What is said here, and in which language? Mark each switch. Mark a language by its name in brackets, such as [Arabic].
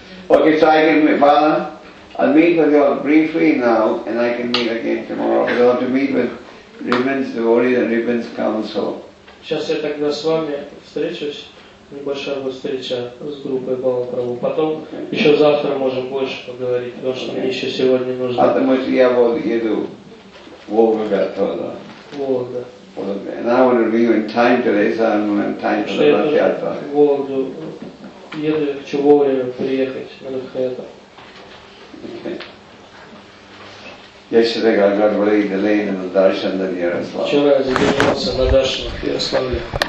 [English] Okay, so I can meet Bala. I'll meet with you all briefly now, and I can meet again tomorrow. I'll have to meet with Ribbons, the Warrior and Ribbons Council. [Russian] Сейчас я тогда с вами встречусь, небольшая будет встреча с группой Балаправу. Потом еще завтра можем больше поговорить, потому что мне еще сегодня нужно. А то мы же я вот еду в Волгоград тогда. Волгоград. [English] And I want to be in time today, so I'm in time for the Lafayette. [Russian] Волгоград. Еду, хочу вовремя приехать на Лафайетто. [English] Yesterday I got really delayed in the darshan of Yaroslavl. [Russian] Вчера я задержался на даршане в Ярославле.